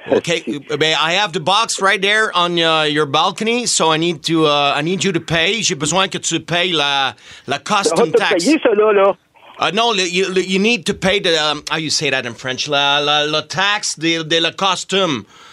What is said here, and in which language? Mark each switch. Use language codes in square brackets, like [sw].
[en] Okay, but I have the box right there on your balcony, so I need you to pay. [fr] J'ai besoin que tu payes la custom tax. On va te payer, ça, là. [en] No, you need to pay the, how you say that in French, [fr] la tax de la costume.